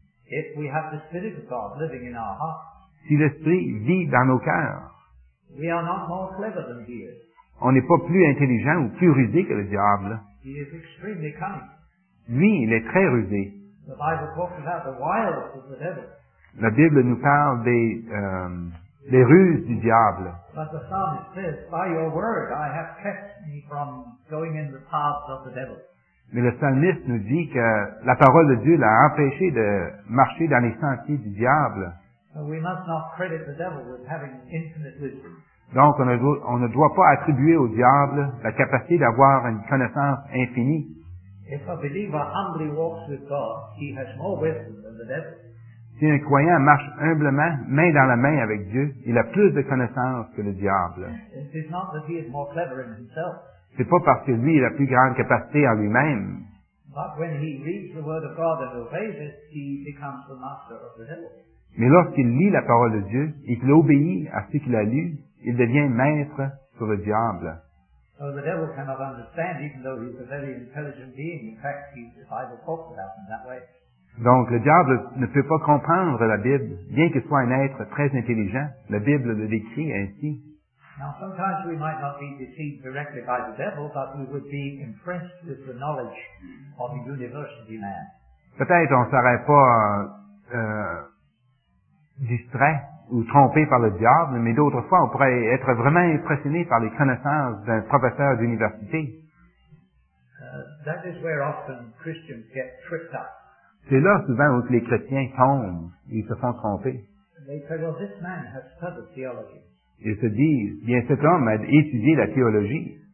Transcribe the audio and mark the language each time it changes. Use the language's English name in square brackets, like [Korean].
[English] If we have the Spirit of God living in our hearts. [French] Si l'Esprit vit dans nos cœurs, [English] we are not more clever than he is. [French] On n'est pas plus intelligent ou plus rusé que le diable. [English] He is extremely cunning. [French] Lui, il est très rusé. [English] The Bible talks about the wiles of the devil. [French] La Bible nous parle des ruses du diable. [English] But the psalmist says, by your word, I have kept me from going in the paths of the devil. [French] Mais le psalmiste nous dit que la parole de Dieu l'a empêché de marcher dans les sentiers du diable. [English] We must not credit the devil with having infinite wisdom. [French] Donc, on ne doit pas attribuer au diable la capacité d'avoir une connaissance infinie. [English] If a believer humbly walks with God, he has more wisdom than the devil. [French] Si un croyant marche humblement, main dans la main avec Dieu, il a plus de connaissance que le diable. [English] It is not that he is more clever in himself. [French] C'est pas parce que lui a la plus grande capacité en lui-même. [English] But when he reads the word of God and obeys it, he becomes the master of the devil. [French] Mais lorsqu'il lit la parole de Dieu et qu'il obéit à ce qu'il a lu, il devient maître sur le diable. [English] So the devil cannot understand, even though he's a very intelligent being. In fact, the Bible talks about him that way. [French] Donc, le diable ne peut pas comprendre la Bible, bien qu'il soit un être très intelligent. La Bible le décrit ainsi. [English] Now, sometimes we might not be deceived directly by the devil, but we would be impressed with the knowledge of a university man. [French] Peut-être on ne serait pas distrait ou trompé par le diable, mais d'autres fois, on pourrait être vraiment impressionné par les connaissances d'un professeur d'université. [English] That is where often Christians get tricked up. [French] C'est là souvent où les chrétiens tombent et ils se font tromper. [English] They say, well, this man has studied theology. [French] Ils se disent, bien, cet homme a étudié la théologie.